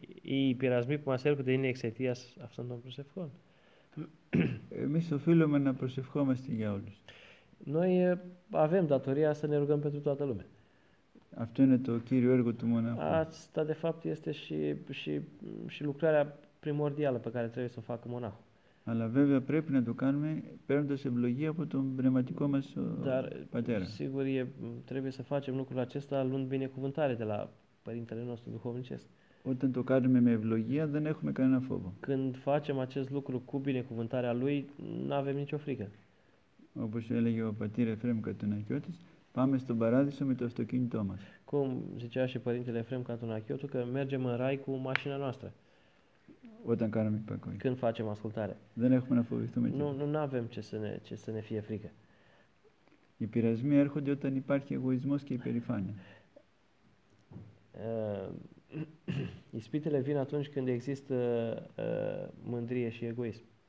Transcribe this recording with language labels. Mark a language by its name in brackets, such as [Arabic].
[Greek] Οι πειρασμοί που μας έρχονται είναι εξαιτίας αυτών των προσευχών. Εμείς οφείλουμε να προσευχόμαστε για όλους. [Romanian] Noi avem datoria să ne rugăm pentru toată lumea. [Greek] Αυτό είναι το κύριο έργο του μοναχού. [Romanian] Asta de fapt este și lucrarea primordială pe care trebuie să o facă [Greek] μοναχού. Αλλά βέβαια πρέπει να το κάνουμε παίρνοντας ευλογία από τον πνευματικό μας πατέρα. Σίγουρα πρέπει να [Romanian] facem lucrul acesta luând binecuvântare de la părintele nostru duhovnicesc. [Greek] Όταν το κάνουμε με ευλογία δεν έχουμε κανένα φόβο. [Romanian] Când facem acest lucru cu binecuvântarea lui, nu avem nicio frică. [Greek] Όπως έλεγε ο πατήρ Εφραίμ Κατουνακιώτης, πάμε στον παράδεισο με το αυτοκίνητό μας. [Romanian] Cum zicea și părintele Εφραίμ Κατουνακιώτου, că mergem în rai cu mașina noastră. [Greek] Όταν κάνουμε υπακοή. [Romanian] Când facem ascultare. [Greek] Δεν έχουμε να φοβηθούμε. [Romanian] Nu avem ce să ne fie frică. [Greek] Οι πειρασμοί έρχονται όταν υπάρχει εγωισμός και υπερηφάνεια. [Romanian] Ispitele vin atunci când există mândrie și egoism.